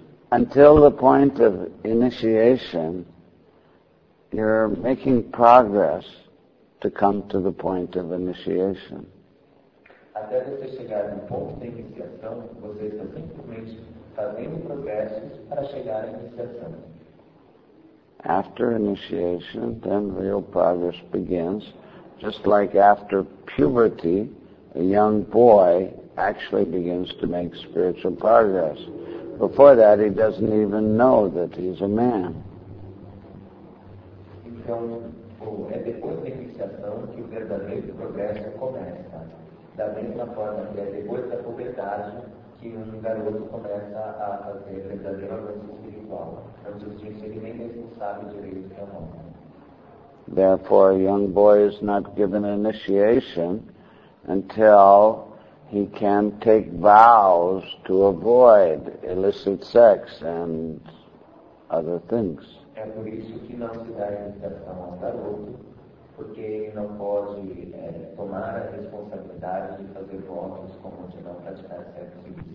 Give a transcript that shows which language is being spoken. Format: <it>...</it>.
<en>Until the point of initiation, you're making progress to come to the point of initiation.</en> <pt>Até você chegar no ponto de iniciação, você está simplesmente fazendo progressos para chegar à iniciação.</pt> <en>After initiation, then real progress begins. Just like after puberty, a young boy actually begins to make spiritual progress. Before that, he doesn't even know that he's a man.</en> <pt>Então, é depois da iniciação que o verdadeiro progresso começa. Da mesma forma que é depois da puberdade que um garoto começa a fazer verdadeiro avanço espiritual. Antes disso, ele nem mesmo sabe direito que é homem.</pt> <en>Therefore, a young boy is not given initiation until he can take vows to avoid illicit sex and other things.</en> <pt>É por isso que não se dá a iniciação ao garoto, porque ele não pode tomar a responsabilidade de fazer votos como de não praticar sexo.</pt>